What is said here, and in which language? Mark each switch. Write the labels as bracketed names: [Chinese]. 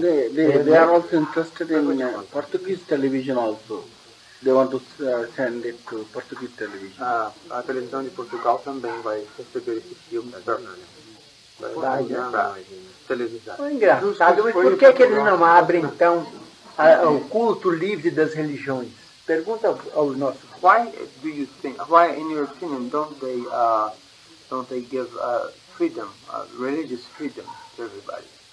[English] They are also interested in Portuguese television also. They want to send it to Portuguese television. [Portuguese] A televisão de Portugal também vai receber esse filme. verdade, televisão. É engraçado, mas por que, que eles não abrem, então, o culto livre das religiões? Pergunta ao nosso. [English] Why do you think? Why, in your opinion, don't they give freedom, religious freedom, to everybody?